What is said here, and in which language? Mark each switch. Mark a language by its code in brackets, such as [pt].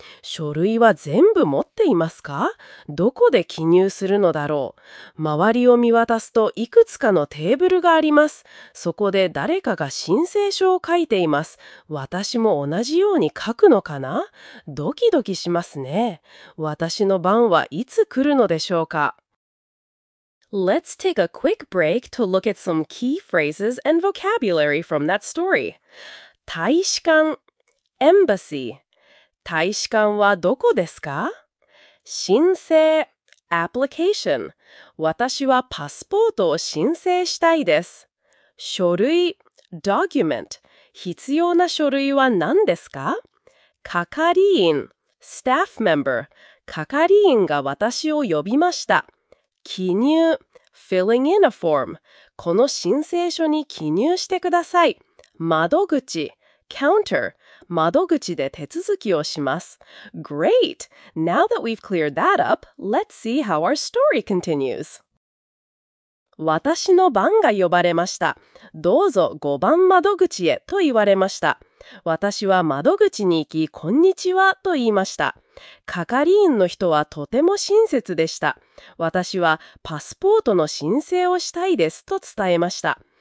[ja] 書類は全部持っていますか？どこで記入するのだろう。周りを見渡すといくつかのテーブルがあります。そこで誰かが申請書を書いています。私も同じように書くのかな？ドキドキしますね。私の番はいつ来るのでしょうか？ [en] Let's take a quick break to look at some key phrases and vocabulary from that story. [ja] 大使館 Embassy 大使館はどこですか？申請 Application 私はパスポートを申請したいです。書類 Document 必要な書類は何ですか？係員 Staff Member 係員が私を呼びました。記入 Filling in a form この申請書に記入してください。窓口 Counter 窓口で手続きをします。 Great! [en] Now that we've cleared that up, let's see how our story continues. [ja] 私の番が呼ばれました。どうぞ5番窓口へと言われました。私は窓口に行き、こんにちはと言いました。係員の人はとても親切でした。私はパスポートの申請をしたいですと伝えました。